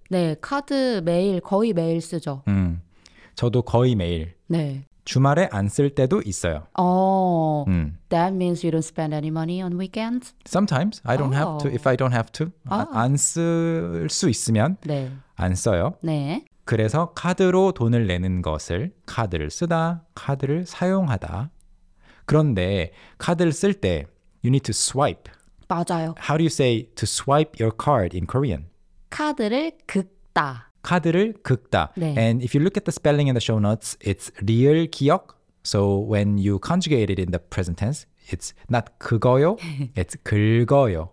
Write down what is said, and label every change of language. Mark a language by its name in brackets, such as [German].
[Korean] 네, 카드 매일 거의 매일 쓰죠. 저도 거의 매일. 네. 주말에 안 쓸 때도 있어요. [English] Oh, that means you don't spend any money on weekends? Sometimes. I don't have to. If I don't have to. Oh. [Korean] 안 쓸 수 있으면 네. 안 써요. 네. 그래서 카드로 돈을 내는 것을 카드를 쓰다, 카드를 사용하다. 그런데 카드를 쓸 때 [English] you need to swipe. [Korean] 맞아요. [English] How do you say to swipe your card in Korean? [Korean] 카드를 긁다. 카드를 긁다. 네. [English] And if you look at the spelling in the show notes, it's 리을 기억. So when you conjugate it in the present tense, it's not 긁어요, it's 긁어요.